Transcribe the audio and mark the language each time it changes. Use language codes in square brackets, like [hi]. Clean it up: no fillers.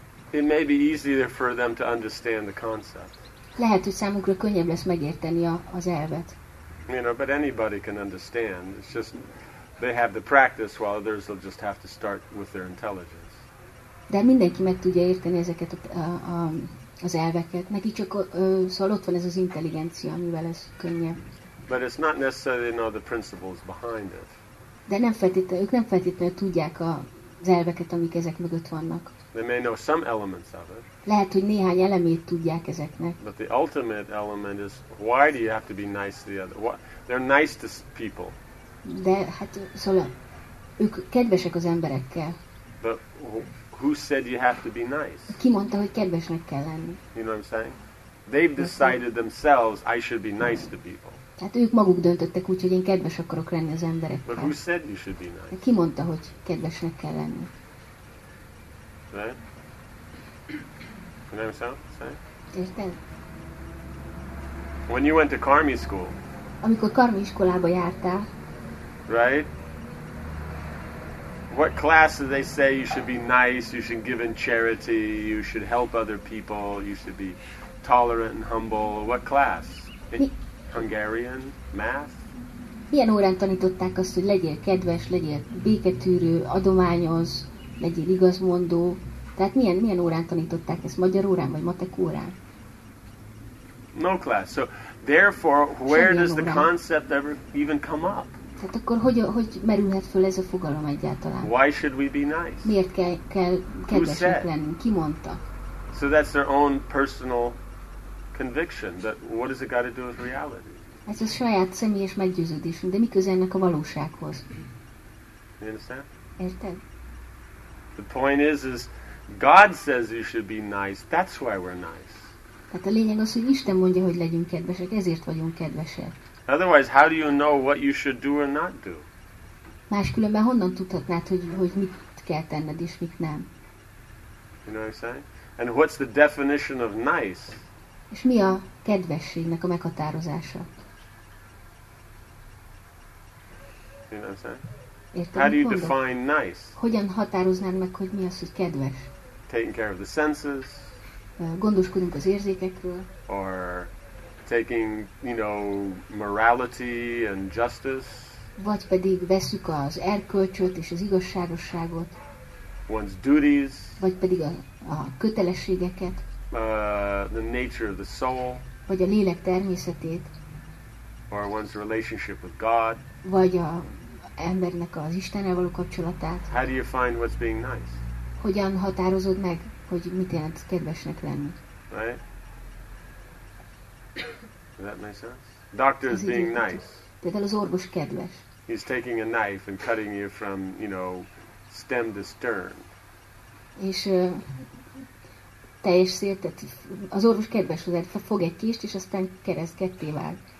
[en] It may be easier for them to understand the concept. [hu] Lehet, hogy számukra könnyebb lesz megérteni az elvet. [en] You know, but anybody can understand. It's just they have the practice, while others will just have to start with their intelligence. [hu] De mindenki meg tudja érteni ezeket az elveket. Neki csak szóval ott van ez az intelligencia, amivel ez könnyebb. [en] But it's not necessarily know the principles behind it. [hu] De nem feltétlenül, ők nem feltétlenül tudják az elveket, amik ezek mögött vannak. [en] They may know some elements of it. [hu] Lehet, hogy néhány elemét tudják ezeknek. [en] But the ultimate element is, why do you have to be nice to the other? What? They're nice to people. [hu] De hát szóval ők kedvesek az emberekkel. [en] But who said you have to be nice? [hu] Ki mondta, hogy kedvesnek kell lenni? [en] You know what I'm saying? They've decided themselves, I should be nice to people. [hu] Hát ők maguk döntöttek úgy, hogy én kedves akarok lenni az emberekkel. [en] But who said you should be nice? [hu] Ki mondta, hogy kedvesnek kell lenni? [en] Right? You know what I'm saying? When you went to Karmi school. Amikor Karmi iskolába jártál. Right? What class do they say you should be nice, you should give in charity, you should help other people, you should be tolerant and humble? What class? Hungarian? Math? [hu] Milyen órán tanították azt, hogy legyél kedves, legyél béketűrő, adományoz, legyél igazmondó? Tehát milyen órán tanították ezt? Magyar órán vagy matek órán? [en] No class. So therefore, where does the concept ever even come up? [hu] Tehát akkor hogy merülhet föl ez a fogalom egyáltalán? Why should we be nice? Miért kell kedvesek lennünk? Ki mondta? [en] So that's their own personal conviction. But what has it got to do with reality? [hu] Ez a saját személyes meggyőződésünk, de mi köze ennek a valósághoz? [en] You understand? [hu] Érted? [en] The point is God says you should be nice. That's why we're nice. [hu] Tehát a lényeg az, hogy Isten mondja, hogy legyünk kedvesek, ezért vagyunk kedvesek. [en] Otherwise, how do you know what you should do or not do? [hu] Máskülönben honnan tudhatnád, hogy mit kell tenned és mit nem? [en] You know what I'm saying? And what's the definition of nice? [hu] És mi a kedvességnek a meghatározása? [en] You know what I'm saying? [hu] Értem, [en] how do you [hu] mondod? [en] Define nice? [hu] Hogyan határoznád meg, hogy mi az, hogy kedves? [en] Taking care of the senses. [hu] Gondoskodunk az érzékekről. [en] Or taking, you know, morality and justice. [hu] Vagy pedig veszük az erkölcsöt és az igazságosságot. [en] One's duties. [hu] Vagy pedig a kötelességeket. [en] The nature of the soul. [hu] Vagy a lélek természetét. [en] Or one's relationship with God. [hu] Vagy a embernek az Istennel való kapcsolatát. [en] How do you find what's being nice? [hu] Hogyan határozod meg, hogy mit jelent kedvesnek lenni? [en] Right? Does that make sense? Doctor is being nice. [hu] Például az orvos kedves. [en] He's taking a knife and cutting you from, you know, stem to stern. [hu] És teljes szél, tehát az orvos kedves, hogy fog egy kést, és aztán kereszt ketté vág.